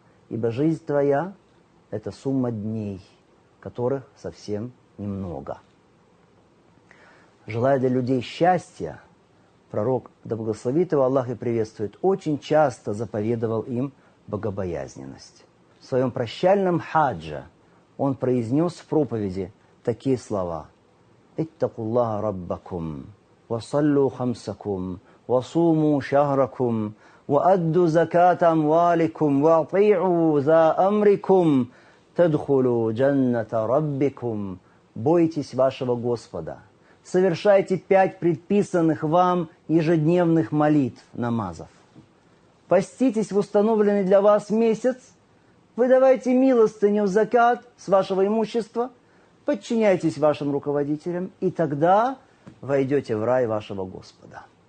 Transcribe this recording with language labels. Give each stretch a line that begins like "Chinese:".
Russian: Ибо жизнь твоя – это сумма дней, которых совсем немного. Желая для людей счастья, пророк, да благословит его Аллах и приветствует, очень часто заповедовал им богобоязненность. В своем прощальном хаджа он произнес в проповеди такие слова:
Arabic: – اتقوا الله ربكم وصلوا خمسكم وصوموا شهركم وأدوا زكاة أموالكم وأطيعوا ذا أمركم تدخلوا جنة ربكم.
Russian: Бойтесь вашего Господа. Совершайте 5 предписанных вам ежедневных молитв, намазов. Поститесь в установленный для вас месяц. Выдавайте милостыню, закат с вашего имущества. Подчиняйтесь вашим руководителям, и тогда войдете в рай вашего Господа.